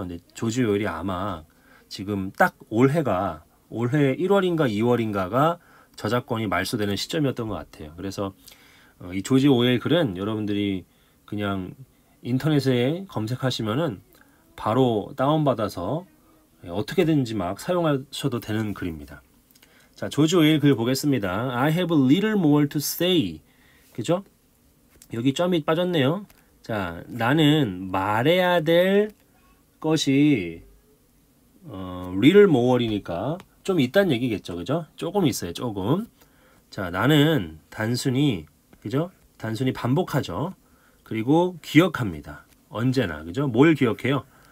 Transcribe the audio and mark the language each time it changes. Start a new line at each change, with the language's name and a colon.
Korean: 근데 조지 오웰이 아마 지금 딱 올해 1월인가 2월인가가 저작권이 말소되는 시점이었던 것 같아요. 그래서 이 조지 오웰 글은 여러분들이 그냥 인터넷에 검색하시면은 바로 다운받아서 어떻게든지 막 사용하셔도 되는 글입니다. 자, 조지 오웰 글 보겠습니다.
English: I have a little more to say.
Korean: 그죠? 여기 점이 빠졌네요. 자, 나는 말해야 될 것이 little more이니까 좀 있단 얘기겠죠. 그죠? 조금 있어요. 조금. 자, 나는 단순히 그죠? 단순히 반복하죠. 그리고 기억합니다. 언제나. 그죠? 뭘 기억해요?